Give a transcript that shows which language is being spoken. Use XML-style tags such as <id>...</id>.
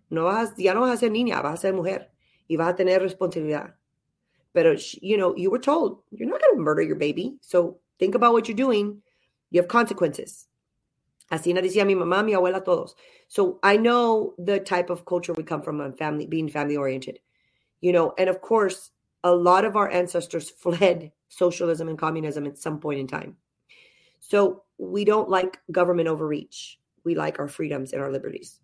<es>No vas, ya no vas a ser niña, vas a ser mujer. Y vas a tener responsabilidad.</es> <en>But, you know, you were told, you're not going to murder your baby. So think about what you're doing. You have consequences.</en> <es>Así nos decía mi mamá, mi abuela, todos.</es> <en>So I know the type of culture we come from, family, being family oriented. You know, and of course, a lot of our ancestors fled socialism and communism at some point in time. So we don't like government overreach. We like our freedoms and our liberties.</en>